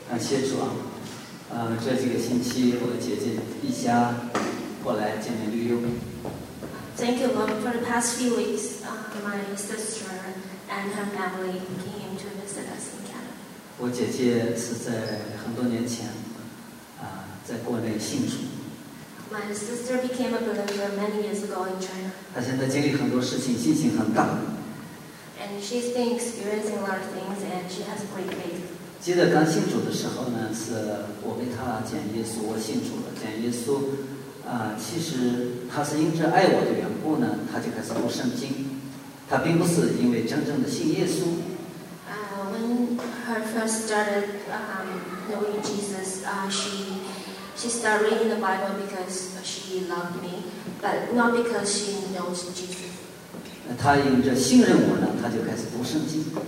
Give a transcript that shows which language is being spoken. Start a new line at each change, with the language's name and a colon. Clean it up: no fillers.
Chinese: 感谢主啊，这几个星期我的姐姐一家过来见面旅游。
English: Thank you, Lord, for the past few weeks, my sister and her family came to visit us in Canada.
Chinese: 我姐姐是在很多年前，在国内信主。
English: My sister became a believer many years ago in China.
Chinese: 她现在经历很多事情，信心很大。
English: And she's been experiencing a lot of things, and she has great faith.
Chinese: 记得刚信主的时候呢，是我给他讲耶稣，我信主了，讲耶稣，其实他是因着爱我的缘故呢，他就开始读圣经，他并不是因为真正的信耶稣。
English: When her first started knowing Jesus, she started reading the Bible because she loved me, but not because she knows Jesus.
Chinese: 他因着信任我呢，他就开始读圣经。